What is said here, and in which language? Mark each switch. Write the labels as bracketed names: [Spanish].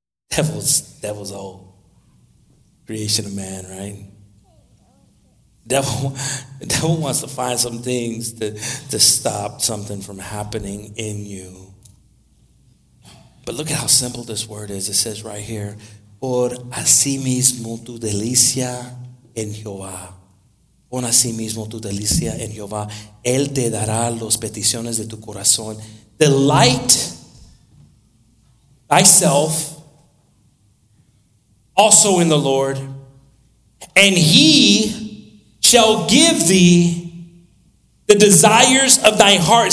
[English] Devil's old. Creation of man, right? Devil wants to find some things to stop something from happening in you. But look at how simple this word is. It says right here, [Spanish] por así mismo tu delicia en Jehová. Pon a sí mismo tu delicia en Jehová. Él te dará las peticiones de tu corazón. [English] Delight thyself also in the Lord, and he shall give thee the desires of thy heart.